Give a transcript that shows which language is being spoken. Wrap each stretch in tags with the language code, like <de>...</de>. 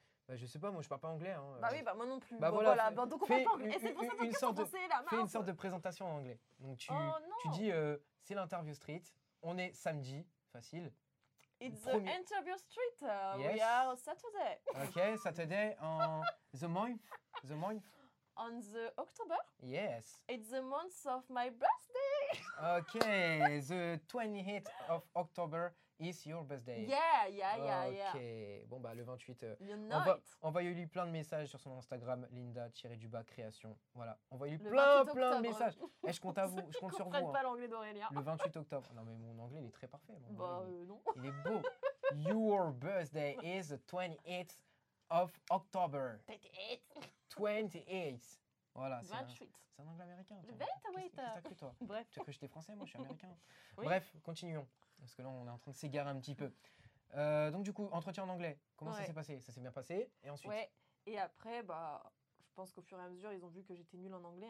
<fr>Je sais pas, moi je parle pas anglais. Hein. Bah oui, bah moi non plus. Bah voilà. Donc on parle pas anglais. Et c'est pour ça que tu français là. Fais une sorte de présentation en anglais. Donc tu dis c'est l'interview street. On est samedi. Facile.</fr> <en>It's the interview street. Yes. We are Saturday. Ok, Saturday on the month. The month. On the October. Yes. It's the month of my birthday. Ok, the 28th of October. It's your birthday. Yeah.</en> <fr>Ok. Bon, le 28, envoyez-lui plein de messages sur son Instagram, linda-création. Voilà. Envoyez-lui plein de messages. Je compte à vous. Je compte sur vous. Je ne comprends pas l'anglais d'Aurélien. Le 28 octobre. Non, mais mon anglais, il est très parfait. Non. Il est beau.</fr> <en>Your birthday is the 28th of October.</en> <fr>28. Voilà, c'est un anglais américain. Le 28. Qu'est-ce que t'as cru, toi? Bref. Tu as cru que j'étais français, moi, je suis américain. Oui. Bref, continuons. Parce que là, on est en train de s'égarer un petit peu. Donc, du coup, entretien en anglais. Comment ça s'est passé? Ça s'est bien passé. Et ensuite? Ouais. Et après, je pense qu'au fur et à mesure, ils ont vu que j'étais nulle en anglais.</fr>